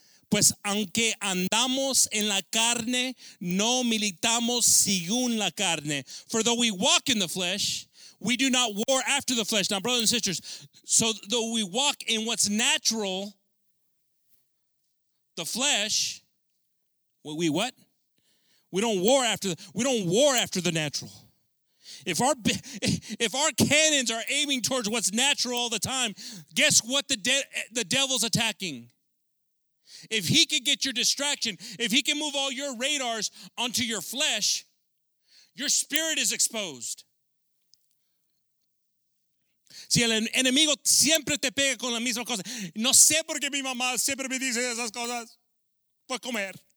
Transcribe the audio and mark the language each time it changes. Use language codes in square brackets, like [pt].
[es] Pues aunque andamos en la carne, no militamos según la carne. [en] For though we walk in the flesh, we do not war after the flesh. Now, brothers and sisters, so though we walk in what's natural, the flesh, we what? We don't war after the natural. If our cannons are aiming towards what's natural all the time, guess what the devil's attacking? If he can get your distraction, if he can move all your radars onto your flesh, your spirit is exposed. [es] Si el enemigo siempre te pega con la misma cosa, no sé por qué mi mamá siempre me dice esas cosas, pues comer.